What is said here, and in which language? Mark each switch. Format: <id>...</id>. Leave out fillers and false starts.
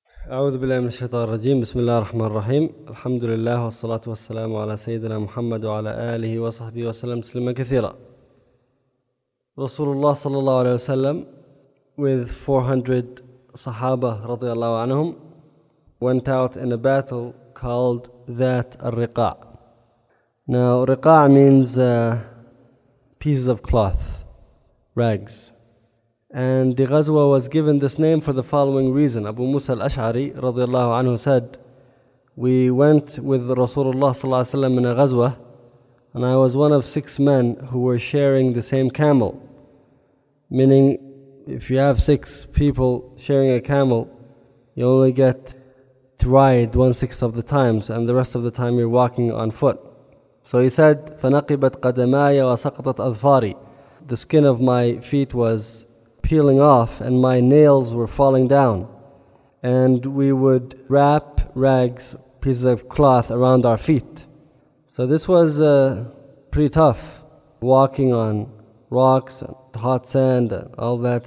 <ar>أعوذ بالله من الشيطان الرجيم بسم الله الرحمن الرحيم الحمد لله والصلاة والسلام على سيدنا محمد وعلى آله وصحبه وسلم تسليما كثيرا رسول الله صلى الله عليه وسلم</ar> <en>with 400</en> <ar>صحابة رضي الله عنهم</ar> <en>went out in a battle called</en> <ar>ذات الرقاع.</ar> <en>Now رقاع means pieces of cloth, rags. And the Ghazwa was given this name for the following reason. Abu Musa al-Ash'ari radiallahu anhu said, we went with Rasulullah sallallahu alayhi wa sallam in a Ghazwa, and I was one of six men who were sharing the same camel. Meaning, if you have six people sharing a camel, you only get to ride 1/6 of the times, and the rest of the time you're walking on foot. So he said,</en> <ar>فَنَقِبَتْ قَدَمَايَ وَسَقَطَتْ أَذْفَارِ.</ar> <en>The skin of my feet was peeling off and my nails were falling down, and we would wrap rags, pieces of cloth around our feet. So this was pretty tough, walking on rocks, hot sand, all that.</en>